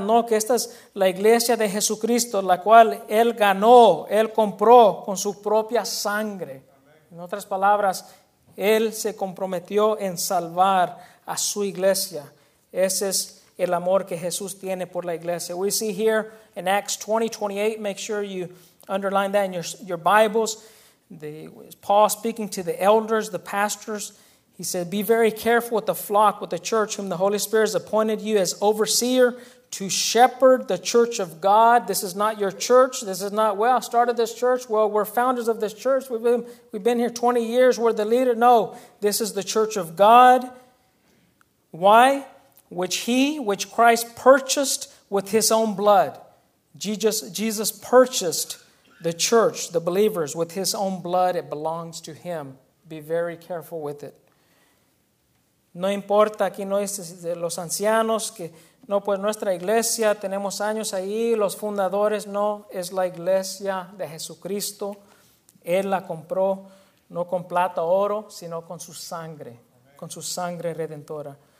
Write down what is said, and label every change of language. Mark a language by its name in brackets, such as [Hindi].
[Spanish] No, que esta es la iglesia de Jesucristo, la cual Él ganó, Él compró con su propia sangre. En otras palabras, Él se comprometió en salvar a su iglesia. Ese es el amor que Jesús tiene por la iglesia. [English] We see here in Acts 20:28, make sure you underline that in your Bibles. Paul speaking to the elders, the pastors. He said, be very careful with the flock, with the church whom the Holy Spirit has appointed you as overseer to shepherd the church of God. This is not your church. This is not, well, I started this church. Well, we're founders of this church. We've been here 20 years. We're the leader. No, this is the church of God. Why? Which Christ purchased with his own blood. Jesus purchased the church, the believers, with his own blood. It belongs to him. Be very careful with it. [Spanish] No importa, aquí no es de los ancianos, que no, pues nuestra iglesia, tenemos años ahí, los fundadores, no, es la iglesia de Jesucristo. Él la compró, no con plata o oro, sino con su sangre, con su sangre redentora.